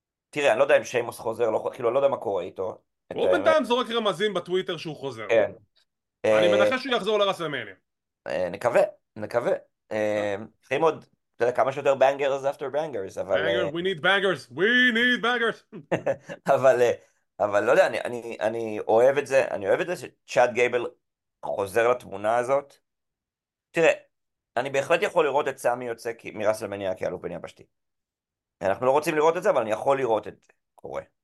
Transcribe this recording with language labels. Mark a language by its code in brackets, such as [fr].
[he] תראה, אני לא יודע אם שיימוס חוזר, לא, כאילו, אני לא יודע מה קורה איתו, את הוא האמת. בינתיים זורק רמזים בטוויטר שהוא חוזר. כן. אני מנחש שהוא יחזור לרסלמניה. נקווה, נקווה. חיים עוד, אתה יודע, כמה שיותר בנגרס אפטר בנגרס, אבל... [en] Banger, we need bangers, we need bangers. [he] אבל לא יודע, אני אוהב את זה, אני אוהב את זה שצ'אד גייבל חוזר לתמונה הזאת. תראה, אני בהחלט יכול לראות את סמי יוצא מרסלמניה כאלוף בן יבשתי. אנחנו לא רוצים לראות את זה, אבל אני יכול לראות את זה קורה.